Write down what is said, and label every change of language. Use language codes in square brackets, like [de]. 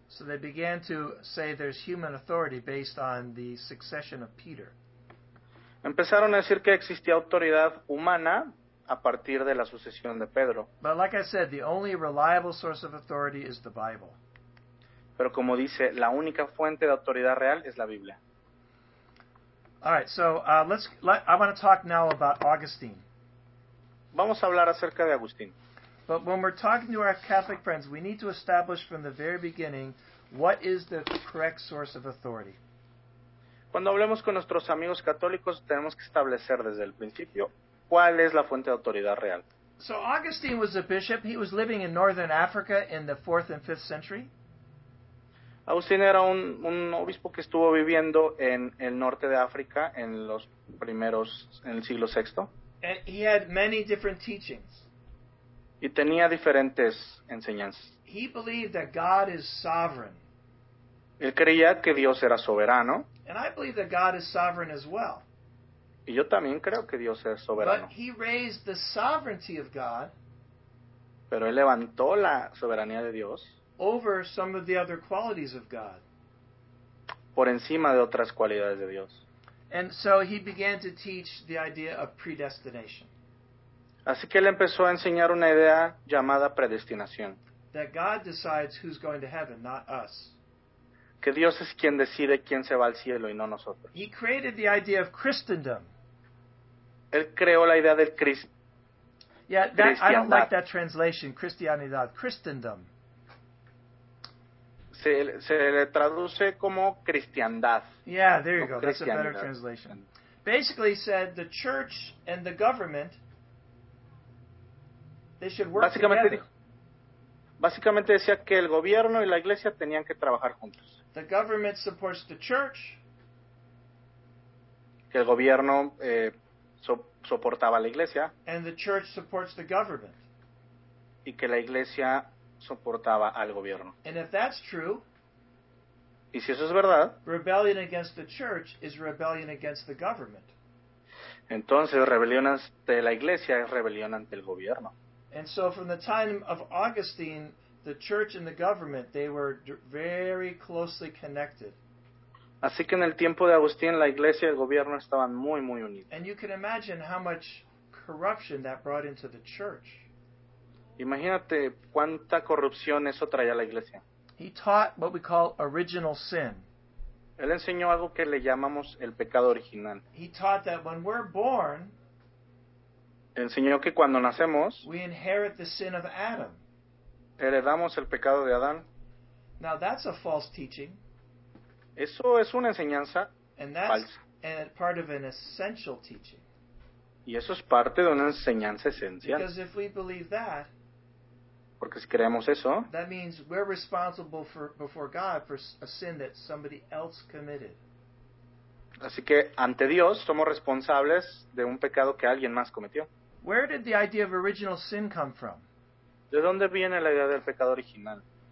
[en] So they began to say there's human authority based on the succession of Peter. [es] Empezaron a decir que existía autoridad humana a partir de la sucesión de Pedro. [en] But like I said, the only reliable source of authority is the Bible. [es] Pero como dice, la única fuente de autoridad real es la Biblia. [en] All right, so I want to talk now about Augustine. [es] Vamos a hablar acerca de Agustín. [en] But when we're talking to our Catholic friends, we need to establish from the very beginning what is the correct source of authority. [es] Cuando hablemos con nuestros amigos católicos, tenemos que establecer desde el principio cuál es la fuente de autoridad real. [en] So Augustine was a bishop. He was living in northern Africa in the 4th and 5th century. [es] Agustín era un obispo que estuvo viviendo en el norte de África en los primeros, en el siglo VI. [en] And he had many different teachings. [es] Y tenía diferentes enseñanzas. [en] He believed that God is sovereign. [es] Él creía que Dios era soberano. [en] And I believe that God is sovereign as well. [es] Y yo también creo que Dios es soberano. [en] But he raised the sovereignty of God. [es] Pero él levantó la soberanía de Dios. [en] Over some of the other qualities of God. [es] Por encima de otras cualidades de Dios. [en] And so he began to teach the idea of predestination. [es] Así que él empezó a enseñar una idea llamada predestinación. [en] That God decides who's going to heaven, not us. [es] Que Dios es quien decide quién se va al cielo y no nosotros. [en] He created the idea of Christendom. [es] Él creó la idea del cristianismo. [en] Yeah, I don't like that translation, Christianidad, Christendom. [es] Se le traduce como cristiandad. [en] Yeah, there you go, that's a better translation. Basically said, the church and the government, they should work together. [es] Básicamente decía que el gobierno y la iglesia tenían que trabajar juntos. [en] The government supports the church. [es] Que el gobierno soportaba a la iglesia. [en] And the church supports the government. [es] Y que la iglesia soportaba al gobierno. [en] And if that's true, [es] y si eso es verdad, [en] rebellion against the church is rebellion against the government. [es] Entonces, rebelión ante la iglesia es rebelión ante el gobierno. [en] And so from the time of Augustine, the church and the government, they were very closely connected. [es] Así que en el tiempo de Agustín, la iglesia y el gobierno estaban muy, muy unidos. [en] And you can imagine how much corruption that brought into the church. [es] Imagínate cuánta corrupción eso traía a la iglesia. [en] He taught what we call original sin. [es] Él enseñó algo que le llamamos el pecado original. [en] He taught that when we're born, [es] enseñó que cuando nacemos, [en] we inherit the sin of Adam. [es] Heredamos el pecado de Adán. [en] Now that's a false teaching. [es] Eso es una enseñanza [en] and that's [es] falsa. [en] And part of an essential teaching. [es] Y eso es parte de una enseñanza esencial. [en] Because if we believe that, [es] porque si creemos eso, [en] that means we're responsible for, before God for a sin that somebody else committed. [es] Así que, ante Dios, somos responsables de un pecado que alguien más cometió. [en] Where did the idea of original sin come from? [es] ¿De dónde viene la idea del pecado original?